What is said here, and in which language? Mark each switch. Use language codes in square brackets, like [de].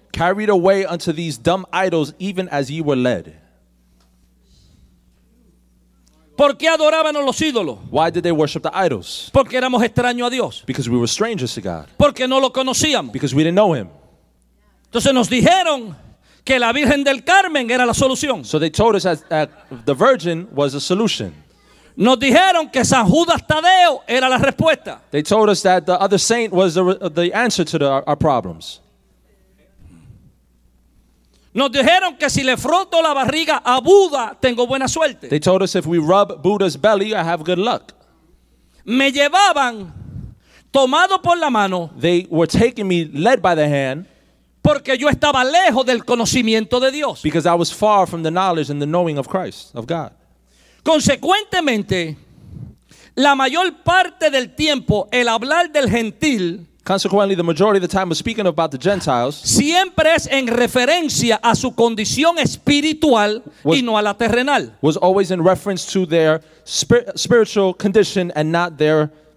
[en] Carried away unto these dumb idols even as ye were led. [es] ¿Por qué adoraban a los ídolos? [en] Why did they worship the idols? [es] Porque éramos extraños a Dios. [en] Because we were strangers to God. [es] Porque no lo conocíamos. [en] Because we didn't know him. [es] Entonces nos dijeron que la Virgen del Carmen era la solución. [en] So they told us that the Virgin was the solution. [es] Nos dijeron que San Judas Tadeo era la respuesta. [en] They told us that the other saint was the answer to our problems. [es] Nos dijeron que si le froto la barriga a Buda, tengo buena suerte. [en] They told us if we rub Buddha's belly, I have good luck. [es] Me llevaban, tomado por la mano. [en] They were taking me, led by the hand. [es] Porque yo estaba lejos del conocimiento de Dios. [en] Because I was far from the knowledge and the knowing of Christ, of God. [es] Consecuentemente, la mayor parte del tiempo, el hablar del gentil... [en] Consequently, the majority of the time we're speaking about the Gentiles. [es] Siempre es en referencia a su condición espiritual y no a la terrenal. [en] Was always in reference to their spiritual condition and not their